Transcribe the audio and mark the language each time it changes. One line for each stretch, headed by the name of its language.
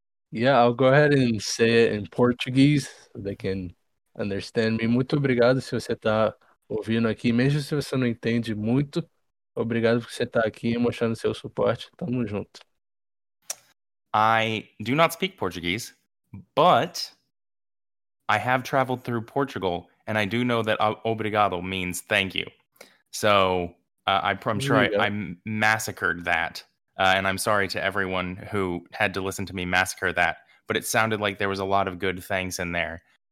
English: Yeah, I'll go ahead and say it in Portuguese so they can understand me.
Portuguese: Muito obrigado se você está ouvindo aqui. Mesmo se você não entende muito, obrigado por você estar aqui e mostrando seu suporte. Tamo junto.
English: I do not speak Portuguese, but I have traveled through Portugal, and I do know that obrigado means thank you. So I'm sure I massacred that. And I'm sorry to everyone who had to listen to me massacre that, but it sounded like there was a lot of good things in there.